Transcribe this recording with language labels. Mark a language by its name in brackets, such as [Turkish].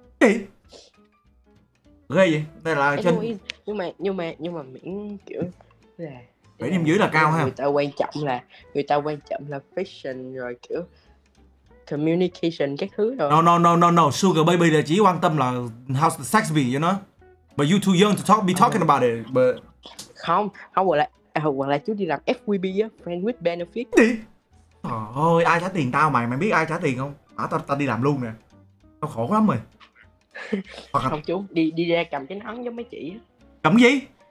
[Vietnamese] Gì? Ghê vậy? Đây là trên. Nhưng mà miễn kiểu là 7 điểm dưới là cao ha. Người ta quan trọng là fashion rồi kiểu communication các thứ rồi. [English] No, sugar baby [Vietnamese] là chỉ quan tâm là [English] how's the sex be, you know? But you too young to be talking about it, but [Vietnamese] Không, gọi là chú đi làm FWB á, friend with benefit. Đi. Trời ơi, ai trả tiền tao mày biết ai trả tiền không? Tao đi làm luôn nè. Tao khổ lắm rồi. Hoặc là... Không chú, đi ra cầm cái nón giống mấy chị á. Cầm cái gì?